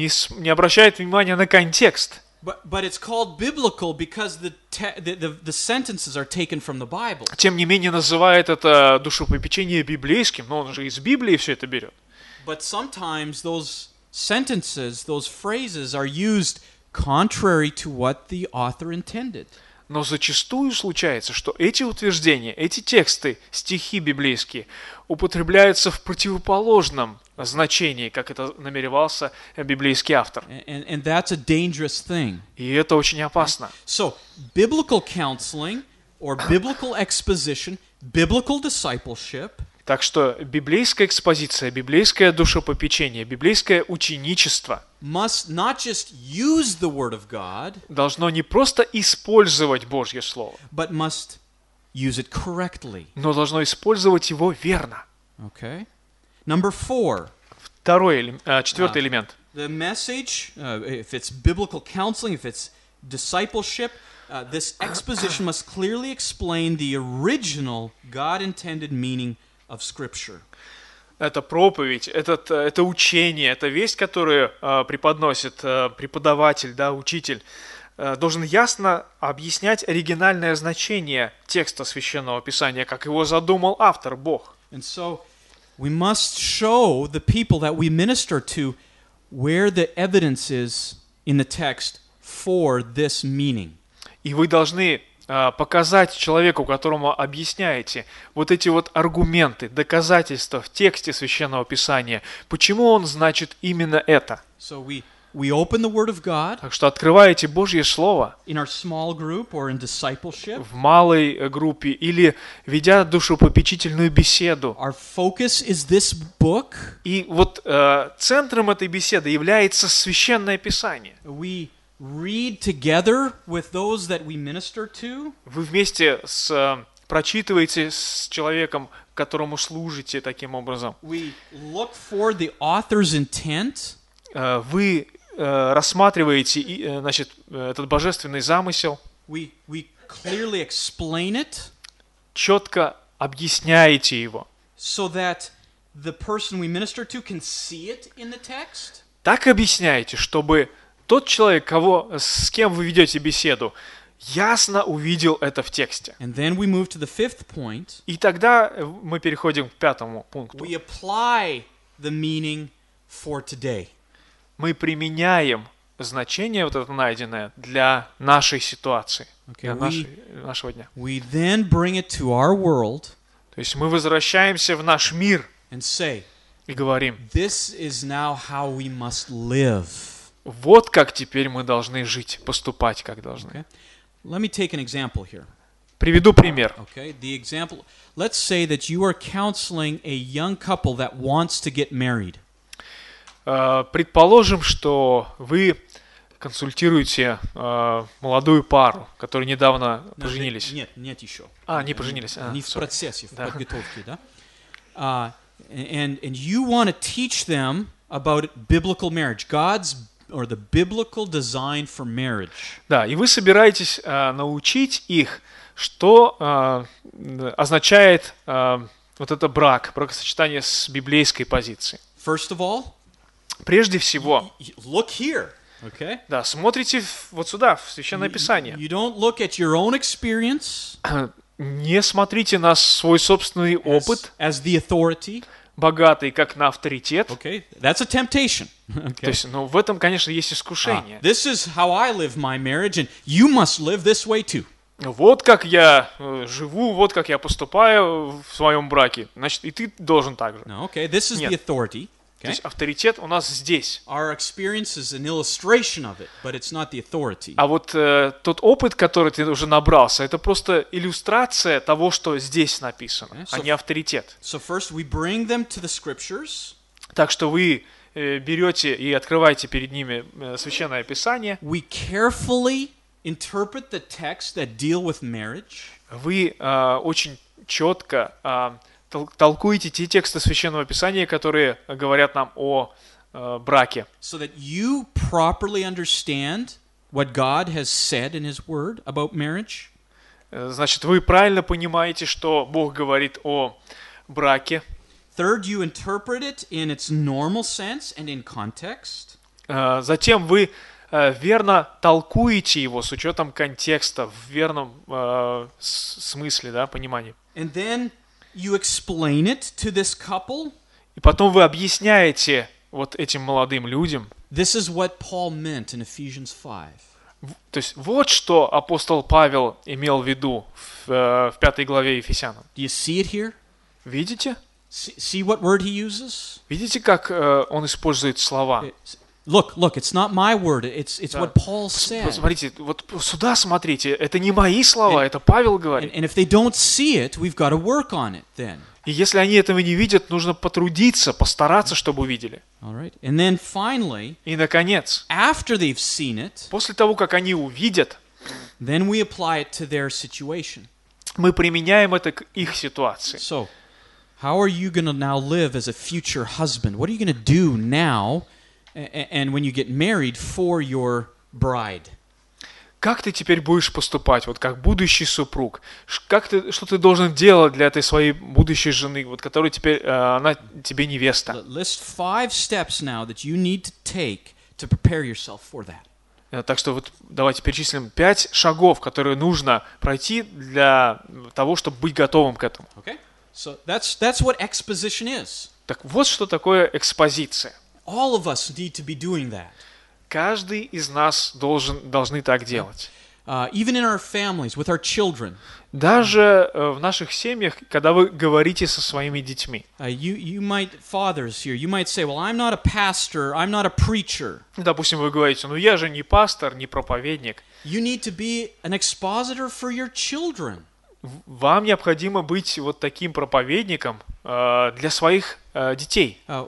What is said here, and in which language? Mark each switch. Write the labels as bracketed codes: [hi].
[ru] Не обращает внимания на контекст. [en] But it's called biblical because the sentences are taken from the Bible. [ru] Тем не менее называет это душепопечение библейским, но он же из Библии все это берет. [en] But sometimes those sentences, those phrases are used contrary to what the author intended. [ru] Но зачастую случается, что эти утверждения, эти тексты, стихи библейские, употребляются в противоположном значении, как это намеревался библейский автор. [en] And that's a dangerous thing. [ru] И это очень опасно. [en] So, biblical counseling or biblical exposition, biblical discipleship. [ru] Так что библейская экспозиция, библейское душепопечение, библейское ученичество [en] must not just use the word of God, [ru] должно не просто использовать Божье Слово, [en] but must use it correctly. [ru] Но должно использовать его верно. [en] Okay. Number four. [ru] Четвертый элемент. [en] The message, if it's biblical counseling, if it's discipleship, this exposition must clearly explain the original God-intended meaning of Scripture. [ru] Это проповедь, это учение, это весть, которую преподносит преподаватель, да, учитель, должен ясно объяснять оригинальное значение текста Священного Писания, как его задумал автор, Бог. [en] And so we must show the people that we minister to where the evidence is in the text for this meaning. [ru] И вы должны показать человеку, которому объясняете, вот эти вот аргументы, доказательства в тексте Священного Писания, почему он значит именно это. [en] So we open the word of God, [ru] так что открываете Божье Слово [en] in our small group or in discipleship, [ru] в малой группе или ведя душепопечительную беседу. [en] Our focus is this book, [ru] и вот центром этой беседы является Священное Писание. [en] We read together with those that we minister to. [ru] Вы вместе с прочитываете с человеком, которому служите таким образом. [en] We look for the author's intent. [ru] Вы рассматриваете, значит, этот божественный замысел. [en] We clearly explain it. [ru] Четко объясняете его. [en] So that the person we minister to can see it in the text. [ru] Так объясняете, чтобы тот человек, кого, с кем вы ведете беседу, ясно увидел это в тексте. [en] And then we move to the fifth point. [ru] И тогда мы переходим к пятому пункту. [en] We apply the meaning for today. [ru] Мы применяем значение, вот это найденное, для нашей ситуации, [en] okay, [ru] для нашего дня. [en] We then bring it to our world. [ru] То есть мы возвращаемся в наш мир [en] and say, [ru] и говорим, [en] this is now how we must live. [ru] Вот как теперь мы должны жить, поступать, как должны. [en] Okay. Let me take an example here. [ru] Приведу пример. [en] Okay. The example. Let's say that you are counseling a young couple that wants to get married. [ru] Предположим, что вы консультируете молодую пару, которые недавно поженились. Нет еще. Не поженились. Они в процессе, в подготовке, да? [en] And you want to teach them about biblical marriage, God's or the biblical design for marriage. [ru] Да, и вы собираетесь научить их, что означает вот это брак, бракосочетание с библейской позиции. [en] First of all, [ru] прежде всего, [en] look here, okay? [ru] Да, смотрите вот сюда, в Священное Писание. [en] You don't look at your own experience. [ru] Не смотрите на свой собственный опыт. [en] As the authority. [ru] Богатый, как на авторитет. [en] Okay. That's a temptation. Okay. [ru] То есть, ну, в этом, конечно, есть искушение. [en] This is how I live my marriage, and you must live this way too. [ru] Вот как я живу, вот как я поступаю в своем браке. Значит, и ты должен так же. [en] No, okay. This is the authority. Okay. [ru] То есть, авторитет у нас здесь. [en] Our experience is an illustration of it, but it's not the authority. [ru] А вот тот опыт, который ты уже набрался, это просто иллюстрация того, что здесь написано, okay. А не авторитет. [en] So first we bring them to the scriptures. [ru] Так что вы берете и открываете перед ними Священное Писание. [en] We carefully interpret the texts that deal with marriage. [ru] Вы очень четко толкуете те тексты Священного Писания, которые говорят нам о браке. [en] So that you properly understand what God has said in His Word about marriage. [ru] Значит, вы правильно понимаете, что Бог говорит о браке. [en] Third, you interpret it in its normal sense and in context. [ru] Затем вы верно толкуете его с учетом контекста, в верном смысле, да, понимании. [en] And then you explain it to this couple. [ru] И потом вы объясняете вот этим молодым людям. [en] This is what Paul meant in Ephesians 5. [ru] То есть вот что апостол Павел имел в виду в пятой главе Ефесянам. [en] Do you see it here? [ru] Видите? [en] See what word he uses? [ru] Видите, как он использует слова? [en] Look, it's not my word. It's what Paul said. [ru] Посмотрите, вот сюда смотрите. Это не мои слова, это Павел говорит. [en] And if they don't see it, we've got to work on it then. [ru] И если они этого не видят, нужно потрудиться, постараться, чтобы увидели. [en] All right. And then finally, [ru] и наконец, [en] after they've seen it, [ru] после того, как они увидят, [en] then we apply it to their situation. [ru] Мы применяем это к их ситуации. [en] So, how are you going to now live as a future husband? What are you going to do now and when you get married for your bride? [ru] Как ты теперь будешь поступать, вот как будущий супруг? Как ты, что ты должен делать для этой своей будущей жены, вот которая теперь она тебе невеста? [en] List five steps now that you need to take to prepare yourself for that. [ru] Так что вот давайте перечислим 5 шагов, которые нужно пройти для того, чтобы быть готовым к этому. [en] Okay. So that's what exposition is. [ru] Так вот что такое экспозиция. [en] All of us need to be doing that. [ru] Каждый из нас должны так делать. [en] Even in our families, with our children. [ru] Даже в наших семьях, когда вы говорите со своими детьми. [en] You might, fathers here, you might say, well, I'm not a pastor, I'm not a preacher. [ru] Допустим, вы говорите, ну я же не пастор, не проповедник. [en] You need to be an expositor for your children. [ru] Вам необходимо быть вот таким проповедником для своих детей.